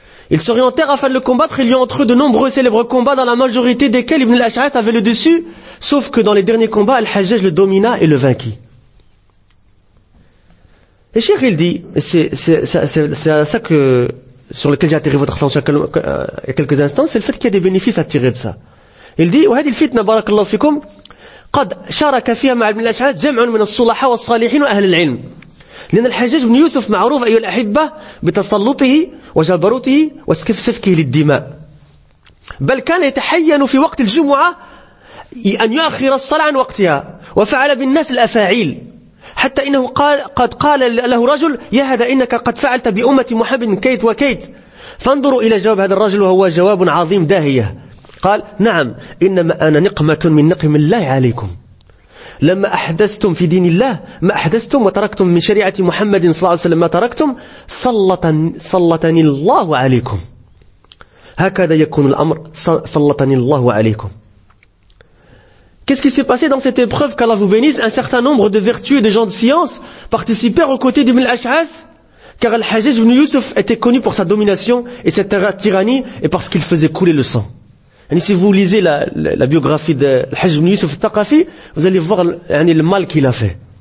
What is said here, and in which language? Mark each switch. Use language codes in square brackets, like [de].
[fr] Ils s'orientèrent afin de le combattre, il y a entre eux de nombreux célèbres combats dans la majorité desquels Ibn al-Ash'ath avait le dessus, sauf que dans les derniers combats, Al-Hajjaj le domina et le vainquit. Et Cheikh il dit, c'est à ça que, sur lequel j'ai attiré votre attention il y a quelques instants, c'est le fait qu'il y a des bénéfices à tirer de ça. Il dit, [ar] وهذه الفتنة بارك الله فيكم قد شارك فيها مع ابن الأشعث جمع من الصلحاء والصالحين وأهل العلم. لأن الحجاج بن يوسف معروف أيها الأحبة بتسلطه وجبروته وسفكه للدماء، بل كان يتحين في وقت الجمعة أن يؤخر الصلاة عن وقتها، وفعل بالناس الأفاعيل حتى إنه قال قد قال له رجل يا هذا إنك قد فعلت بأمة محمد كيت وكيت، فانظروا إلى جواب هذا الرجل وهو جواب عظيم داهية، قال نعم إنما أنا نقمة من نقم الله عليكم لما أحدثتم في دين الله ما أحدثتم وتركتم من شريعة محمد صلى الله عليه وسلم ما تركتم سلطني الله عليكم هكذا يكون الأمر سلطني الله عليكم. [fr] Qu'est-ce qui s'est passé dans cette épreuve qu'Allah vous bénisse? Un certain nombre de vertueux et de gens de science participèrent aux côtés d'Ibn al-Ash'ath, car Al-Hajjaj ibn Yusuf était connu pour sa domination et sa tyrannie et parce qu'il faisait couler le sang. Et si vous lisez la biographie de Al-Hajjaj ibn Yusuf al-Thaqafi, vous allez voir le mal qu'il a fait.